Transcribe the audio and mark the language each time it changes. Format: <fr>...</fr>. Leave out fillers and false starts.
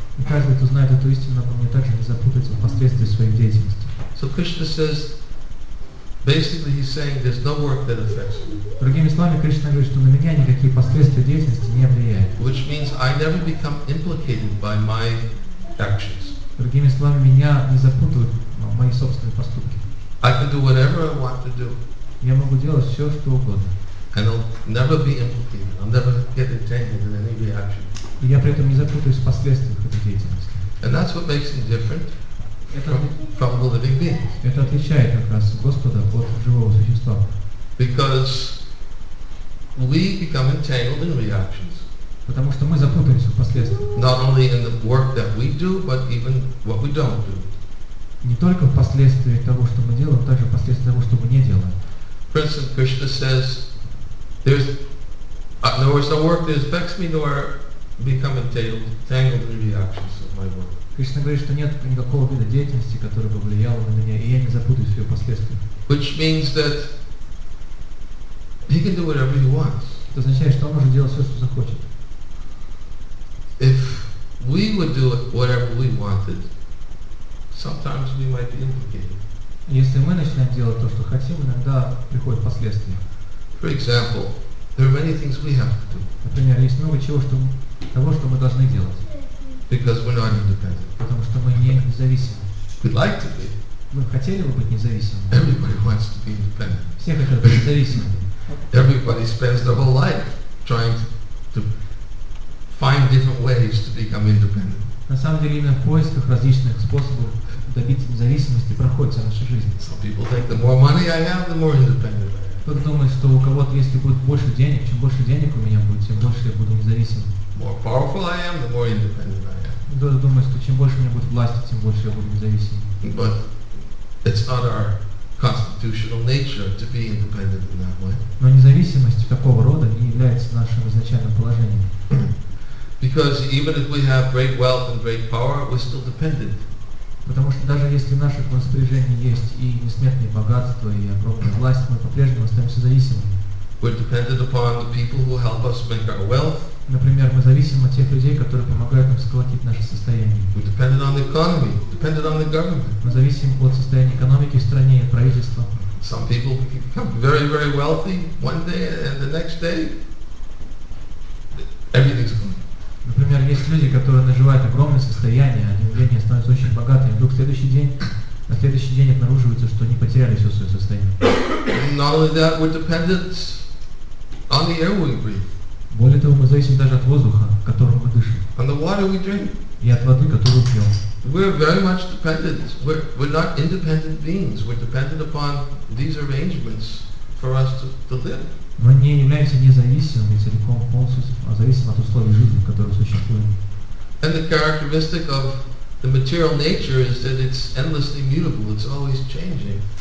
<ru>И каждый, кто знает эту истину обо мне, также не запутается в последствиях своей деятельности.</ru> <en>So Krishna says, basically he's saying there's no work that affects me.</en> <ru>Другими словами, Кришна говорит, что на меня никакие последствия деятельности не влияют.</ru> <en>Which means I never become implicated by my actions.</en> <ru>Другими словами, меня не запутывают мои собственные поступки.</ru> <en>I can do whatever I want to do.</en> <ru>Я могу делать все, что угодно.</ru> <en>And I'll never be implicated. I'll never get entangled in any reaction.</en> <ru>И я при этом не запутаюсь в последствиях этой деятельности.</ru> <en>And that's what makes him different from the living beings.</en> <ru>Это отличает как раз Господа от живого существа.</ru> <en>Because we become entangled in reactions.</en> <ru>Потому что мы запутаемся в последствиях.</ru> <en>Not only in the work that we do, but even what we don't do.</en> <ru>Не только в последствии того, что мы делаем, также в последствии того, что мы не делаем.</ru> <en>For instance, Krishna says, there's no worse of work that affects me, nor become entangled in reactions of my work.</en> <ru>Кришна говорит, что нет никакого вида деятельности, которая бы влияла на меня, и я не запутаюсь в ее последствиях.</ru> <en>Which means that he can do whatever he wants.</en> <ru>Это означает, что он может делать все, что захочет.</ru> <en>If we would do whatever we wanted, sometimes we might be implicated.</en> <ru>Если мы начинаем делать то, что хотим, иногда приходят последствия.</ru> <en>For example, there are many things we have to do.</en> <ru>Например, есть много чего, того, что мы должны делать.</ru> <en>Because we're not independent.</en> <ru>Потому что мы не независимы.</ru> <en>We'd like to be.</en> <ru>Мы хотели бы быть независимыми.</ru> <en>Everybody wants to be independent.</en> <ru>Все хотят быть независимыми.</ru> <en>Everybody spends their whole life trying to find different ways to become independent.</en> <ru>На самом деле, именно в поисках различных способов добиться независимости проходит вся наша жизнь.</ru> <en>Some people think the more money I have, the more independent I am.</en> <ru>Кто-то думает, что у кого-то, если будет больше денег, чем больше денег у меня будет, тем больше я буду независимым.</ru> <en>More powerful I am, the more independent I am.</en> <ru>Кто-то думает, что чем больше у меня будет власти, тем больше я буду независимым.</ru> <en>But it's not our constitutional nature to be independent in that way.</en> <ru>Но независимость такого рода не является нашим изначальным положением.</ru> <en>Because even if we have great wealth and great power, we're still dependent.</en> <ru>Потому что даже если в наших распоряжениях есть и несметные богатства, и огромная власть, мы по-прежнему остаемся зависимыми.</ru> <en>We're dependent upon the people who help us make our wealth.</en> <ru>Например, мы зависим от тех людей, которые помогают нам сколотить наше состояние.</ru> <en>We're dependent on the economy, dependent on the government.</en> <ru>Мы зависим от состояния экономики в стране и от правительства.</ru> <en>Some people become very, very wealthy one day, and the next day everything's gone.</en> <ru>Например, есть люди, которые наживают огромное состояние, один день становятся очень богатыми, вдруг на следующий день обнаруживается, что они потеряли все свое состояние.</ru> <en>Not only that, we're dependent on the air we breathe.</en> <ru>Более того, мы зависим даже от воздуха, которым мы дышим.</ru> <en>And the water we drink.</en> <ru>И от воды, которую пьем.</ru> <en>We're very much dependent. We're not independent beings. We're dependent upon these arrangements for us to live.</en> <ru>Мы не являемся независимыми целиком полностью, а зависим от условий жизни, которые существуют.</ru> <en>And the characteristic of the material nature is that it's endlessly mutable, it's always changing.</en>